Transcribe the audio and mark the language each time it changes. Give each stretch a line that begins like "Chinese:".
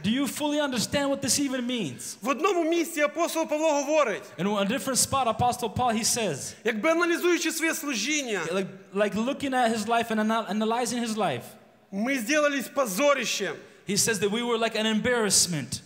English: Do you fully understand what this even means?
Ukrainian: В одному місці апостол Павло говорить.
English: In a different spot apostle Paul he says.
Ukrainian: Якби аналізуючи своє служіння.
English: Like looking at his life and analyzing his life.
Ukrainian: Ми зробили позорищем.
English: He says that we were like an embarrassment